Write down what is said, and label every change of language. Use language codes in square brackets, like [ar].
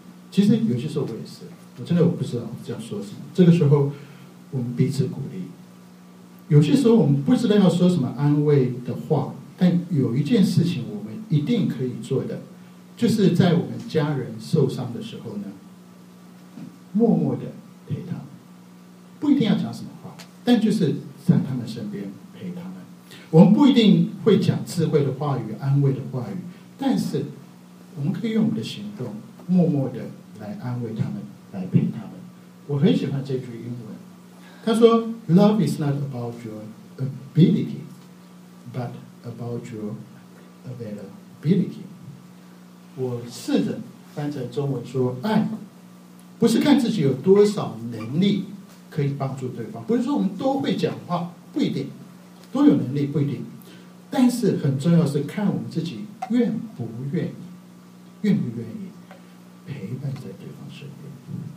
[zh] 其实有些时候我也是，我真的我不知道这样说什么。这个时候我们彼此鼓励，有些时候我们不知道要说什么安慰的话，但有一件事情我们一定可以做的，就是在我们家人受伤的时候呢，默默的陪他们，不一定要讲什么话，但就是在他们身边陪他们。我们不一定会讲智慧的话语、安慰的话语，但是我们可以用我们的行动默默的来安慰他们，来陪他们。我很喜欢这句英文，他说 [en] Love is not about your ability but about your availability。 [zh] 我试着翻成中文说，爱不是看自己有多少能力可以帮助对方，不是说我们都会讲话，不一定，都有能力不一定，但是很重要是看我们自己愿不愿意，愿不愿意陪伴在对方身边。